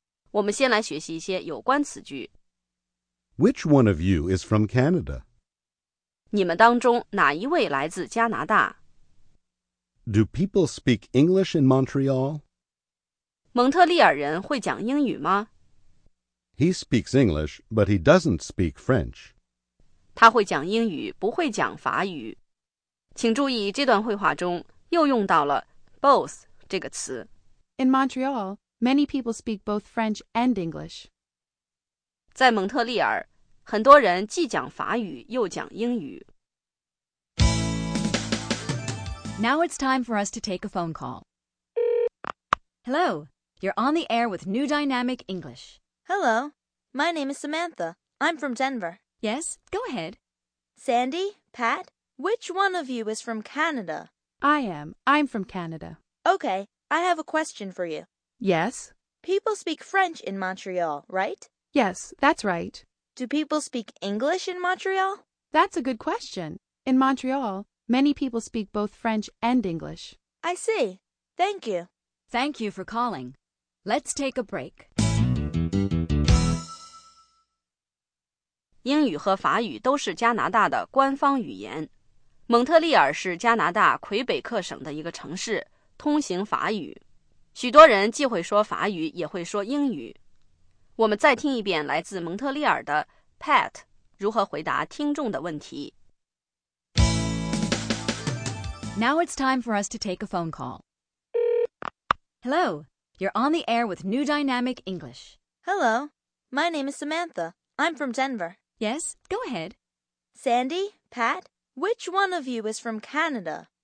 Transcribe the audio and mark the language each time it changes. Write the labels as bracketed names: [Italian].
[Chinese] 我们先来学习一些有关词句。 [English] Which one of you is from Canada? [Chinese] 你们当中哪一位来自加拿大? [English] Do people speak English in Montreal? [Chinese] 蒙特利尔人会讲英语吗? [English] He speaks English, but he doesn't speak French. [Chinese] 他会讲英语，不会讲法语。请注意这段绘画中又用到了 both 这个词。 [English] In Montreal, many people speak both French and English. [Chinese] 在蒙特利尔，很多人既讲法语又讲英语。 [English] Now it's time for us to take a phone call. Hello, you're on the air with New Dynamic English. Hello, my name is Samantha. I'm from Denver. Yes, go ahead. Sandy, Pat? Which one of you is from Canada? I am. I'm from Canada. Okay, I have a question for you. Yes? People speak French in Montreal, right? Yes, that's right. Do people speak English in Montreal? That's a good question. In Montreal, many people speak both French and English. I see. Thank you. Thank you for calling. Let's take a break. [Chinese] 英语和法语都是加拿大的官方语言。蒙特利尔是加拿大魁北克省的一个城市，通行法语。许多人既会说法语，也会说英语。我们再听一遍来自蒙特利尔的 Pat 如何回答听众的问题。 [English] Now it's time for us to take a phone call. Hello, you're on the air with New Dynamic English. Hello, my name is Samantha. I'm from Denver. Yes, go ahead. Sandy, Pat, which one of you is from Canada?